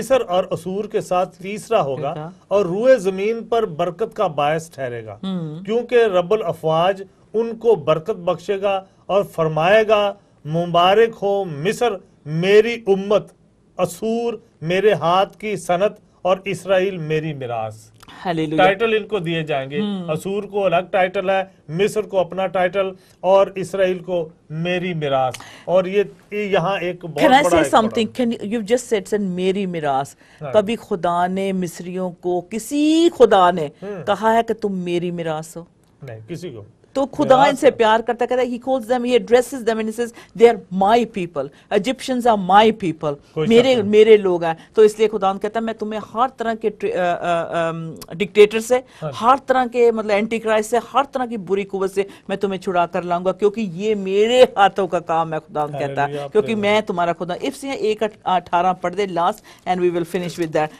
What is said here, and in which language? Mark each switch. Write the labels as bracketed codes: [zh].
[hi] Fulfil हो जाए, तब इसराइल मिस्र और असूर के साथ तीसरा होगा और रूए जमीन पर बरकत का बायस ठहरेगा, क्योंकि रबुल अफवाज उनको बरकत बख्शेगा और फरमाएगा मुबारक हो मिस्र मेरी उम्मत, असूर मेरे हाथ की सनत और इसराइल मेरी मिरास। टाइटल इनको दिए जाएंगे, असूर को अलग टाइटल है, मिस्र को अपना टाइटल और इसराइल को मेरी मिरास। और ये यहाँ एक बहुत बड़ा [en] Can I say something? Can you just said said [hi] मेरी मिरास? कभी खुदा ने मिस्रियों को, किसी खुदा ने कहा है कि तुम मेरी मिरास हो? नहीं, किसी को तो खुदा इनसे प्यार करता, कहता है [en] he calls them, he addresses them and he says they are my people, Egyptians are my people, [hi] मेरे लोग हैं। तो इसलिए खुदा कहता है मैं तुम्हें हर तरह के डिक्टेटर से, हर तरह के मतलब एंटी क्राइस्ट से, हर तरह की बुरी कुवत से मैं तुम्हें छुड़ा कर लाऊंगा, क्योंकि ये मेरे हाथों का काम है, खुदा कहता है, क्योंकि मैं तुम्हारा खुदा। [en] इफ से 1:18 पढ़ दे last and we will finish with that.